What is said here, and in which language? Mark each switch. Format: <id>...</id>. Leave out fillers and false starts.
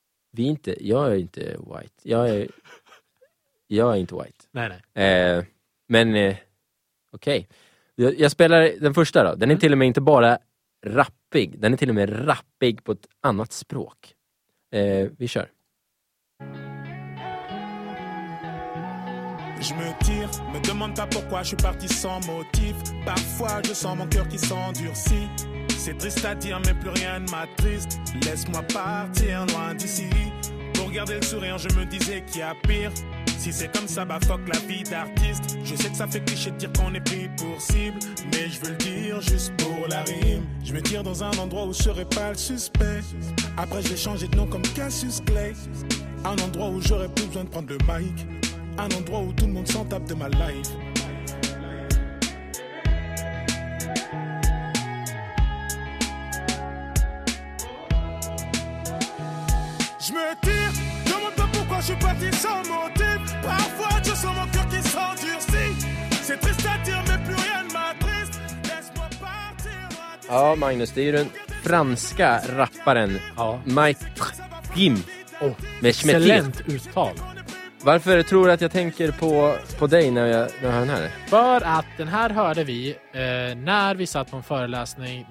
<sv>Vi inte, jag är inte white. Jag är inte white. Nej. Okej. Okay. Jag spelar den första då. Den är till och med inte bara rappig. Den är till och med rappig på ett annat språk. Vi kör.</sv> <fr>Je me tire, me demande pas pourquoi je suis parti sans motif. Parfois je sens mon cœur qui s'endurcit. C'est triste à dire mais plus rien ne m'attriste. Laisse-moi partir loin d'ici. Pour garder le sourire je me disais qu'il y a pire. Si c'est comme ça bah fuck la vie d'artiste. Je sais que ça fait cliché de dire qu'on est pris pour cible. Mais je veux le dire juste pour la rime. Je me tire dans un endroit où je serais pas le suspect. Après j'ai changé de nom comme Cassius Clay. Un endroit où j'aurais plus besoin de prendre le mic. Un endroit où tout le monde s'en tape de ma life. Je me tire, demande pas pourquoi je suis parti sans motif. Parfois je sens mon cœur qui s'endurcit. C'est triste à dire mais plus rien ne m'attriste. Laisse-moi partir.</fr> <sv>Ja, Magnus, det är ju den franska rapparen, ja. Maître Gim. Oh, med Schmetti. Excellent uttal. Varför tror du att jag tänker på dig när jag hör den här? För att den här hörde vi när vi satt på en föreläsning.</sv>